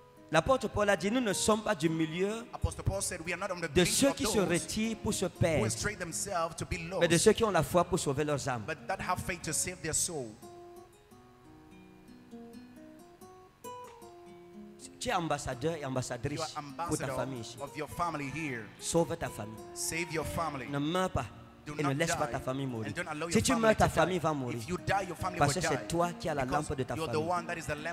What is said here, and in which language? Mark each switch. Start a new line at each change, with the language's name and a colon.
French: L'apôtre Paul a dit, nous ne sommes pas du milieu de ceux qui se retirent pour se perdre, mais de ceux qui ont la foi pour sauver leurs âmes.
English: But that have faith to save their soul.
French: Tu es ambassadeur et ambassadrice pour ta famille ici.
English: Of your family here.
French: Sauve ta famille.
English: Save your family.
French: Ne meurs pas.
English: Do
French: et ne laisse pas ta famille mourir. Si tu meurs, ta famille va mourir. Parce que c'est toi qui as la lampe de ta famille.